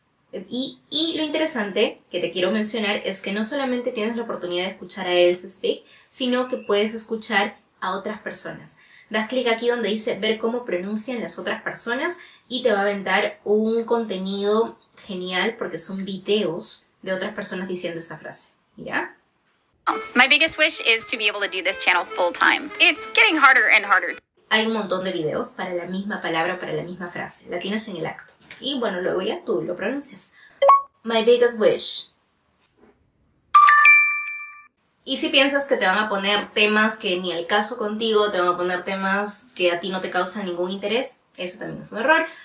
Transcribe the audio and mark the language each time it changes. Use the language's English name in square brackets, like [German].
[Spanish] Y lo interesante que te quiero mencionar es que no solamente tienes la oportunidad de escuchar a Else speak, sino que puedes escuchar a otras personas. Das clic aquí donde dice ver cómo pronuncian las otras personas y te va a aventar un contenido genial porque son videos de otras personas diciendo esta frase. ¿Ya? [English] My biggest wish is to be able to do this channel full time. It's getting harder and harder. [Spanish] Hay un montón de videos para la misma palabra o para la misma frase. La tienes en el acto. Y bueno, luego ya tú lo pronuncias. [English] My biggest wish. [Spanish] Y si piensas que te van a poner temas que ni al caso contigo, te van a poner temas que a ti no te causan ningún interés, eso también es un error.